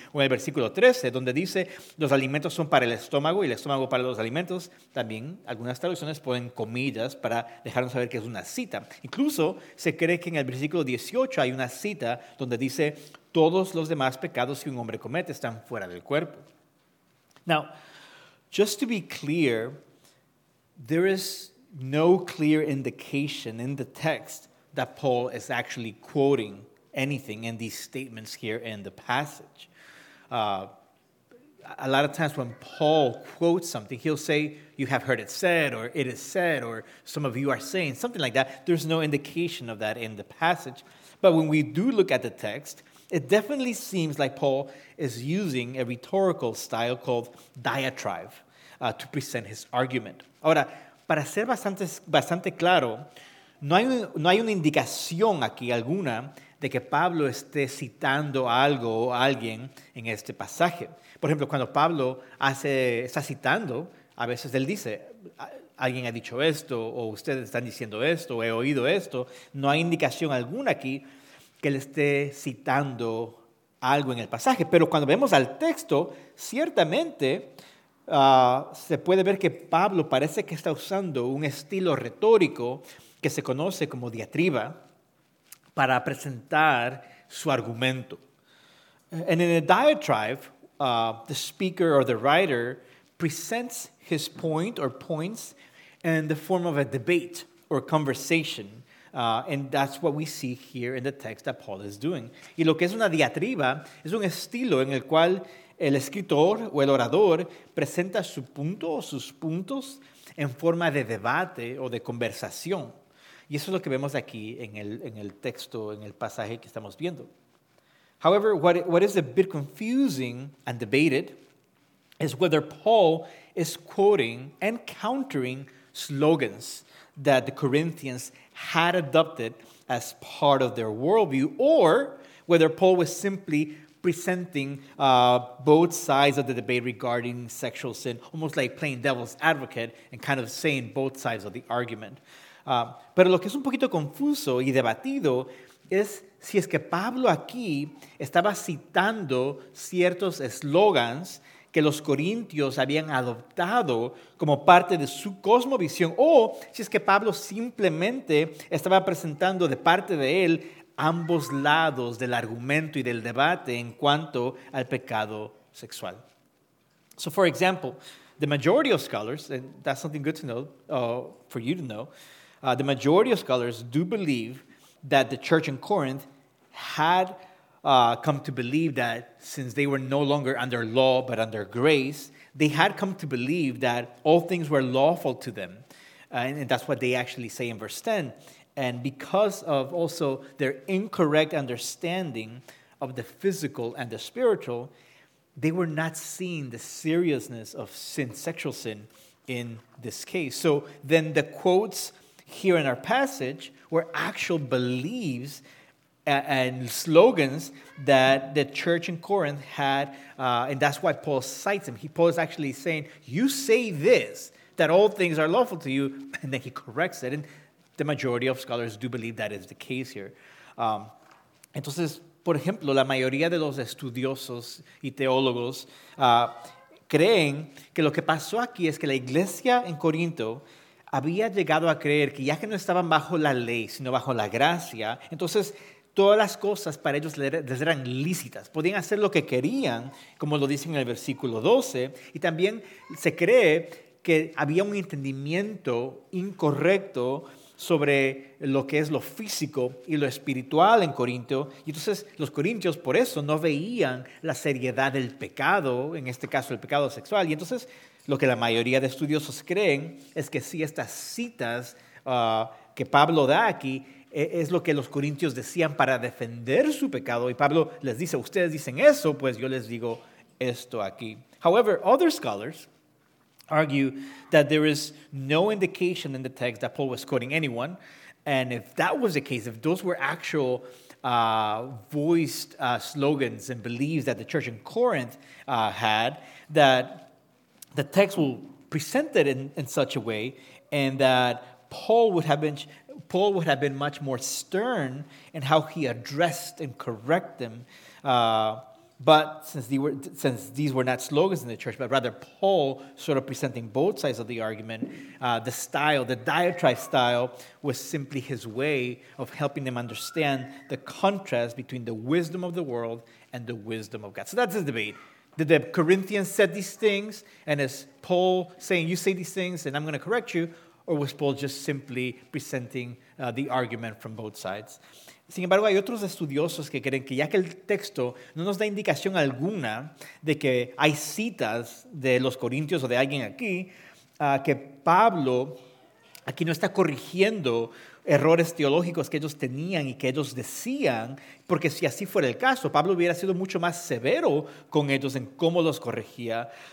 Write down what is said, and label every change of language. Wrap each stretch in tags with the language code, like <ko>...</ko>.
<es>O en el versículo 13, donde dice, los alimentos son para el estómago y el estómago para los alimentos, también algunas traducciones ponen comillas para dejarnos saber que es una cita. Incluso se cree que en el versículo 18 hay una cita donde dice, todos los demás pecados que un hombre comete están fuera del cuerpo.</es> <en>Now, just to be clear, there is no clear indication in the text that Paul is actually quoting anything in these statements here in the passage. A lot of times when Paul quotes something, he'll say, you have heard it said, or it is said, or some of you are saying, something like that. There's no indication of that in the passage. But when we do look at the text, it definitely seems like Paul is using a rhetorical style called diatribe to present his argument.</en> <es>Ahora, para ser bastante claro, no hay una indicación aquí alguna de que Pablo esté citando algo o alguien en este pasaje. Por ejemplo, cuando Pablo está citando, a veces él dice, alguien ha dicho esto, o ustedes están diciendo esto, o he oído esto. No hay indicación alguna aquí que él esté citando algo en el pasaje. Pero cuando vemos al texto, ciertamente se puede ver que Pablo parece que está usando un estilo retórico que se conoce como diatriba, para presentar su argumento.</es> <en>And in a diatribe, the speaker or the writer presents his point or points in the form of a debate or conversation. And that's what we see here in the text that Paul is doing.</en> <es>Y lo que es una diatriba es un estilo en el cual el escritor o el orador presenta su punto o sus puntos en forma de debate o de conversación. Y eso es lo que vemos aquí en el texto, en el pasaje que estamos viendo.</es> <en>However, what is a bit confusing and debated is whether Paul is quoting and countering slogans that the Corinthians had adopted as part of their worldview, or whether Paul was simply presenting both sides of the debate regarding sexual sin, almost like playing devil's advocate and kind of saying both sides of the argument.</en> <es>Pero lo que es un poquito confuso y debatido es si es que Pablo aquí estaba citando ciertos eslogans que los corintios habían adoptado como parte de su cosmovisión o si es que Pablo simplemente estaba presentando de parte de él ambos lados del argumento y del debate en cuanto al pecado sexual.</es> <en>So, for example, the majority of scholars, and that's something good to know, for you to know, The majority of scholars do believe that the church in Corinth had come to believe that since they were no longer under law but under grace, they had come to believe that all things were lawful to them. And that's what they actually say in verse 10. And because of also their incorrect understanding of the physical and the spiritual, they were not seeing the seriousness of sin, sexual sin, in this case. So then the quotes here in our passage were actual beliefs and slogans that the church in Corinth had, and that's why Paul cites them. Paul is actually saying, you say this, that all things are lawful to you, and then he corrects it, and the majority of scholars do believe that is the case here.</en> <es>Entonces, por ejemplo, la mayoría de los estudiosos y teólogos creen que lo que pasó aquí es que la iglesia en Corinto había llegado a creer que ya que no estaban bajo la ley, sino bajo la gracia, entonces todas las cosas para ellos les eran lícitas. Podían hacer lo que querían, como lo dicen en el versículo 12, y también se cree que había un entendimiento incorrecto sobre lo que es lo físico y lo espiritual en Corinto. Y entonces los corintios por eso no veían la seriedad del pecado, en este caso el pecado sexual. Y entonces lo que la mayoría de estudiosos creen es que sí, estas citas que Pablo da aquí es lo que los corintios decían para defender su pecado. Y Pablo les dice, ustedes dicen eso, pues yo les digo esto aquí.</es> <en>However, other scholars argue that there is no indication in the text that Paul was quoting anyone. And if that was the case, if those were actual voiced slogans and beliefs that the church in Corinth had, that the text will present it in such a way, and that Paul would have been much more stern in how he addressed and correct them. But since these were not slogans in the church, but rather Paul sort of presenting both sides of the argument, the style, the diatribe style, was simply his way of helping them understand the contrast between the wisdom of the world and the wisdom of God. So that's his debate. Did the Corinthians said these things, and is Paul saying, you say these things, and I'm going to correct you? Or was Paul just simply presenting the argument from both sides?</en> <es>Sin embargo, hay otros estudiosos que creen que ya que el texto no nos da indicación alguna de que hay citas de los corintios o de alguien aquí, que Pablo aquí no está corrigiendo errores teológicos que ellos tenían y que ellos decían, porque si así fuera el caso, Pablo hubiera sido mucho más severo con ellos en cómo los corregía.</es>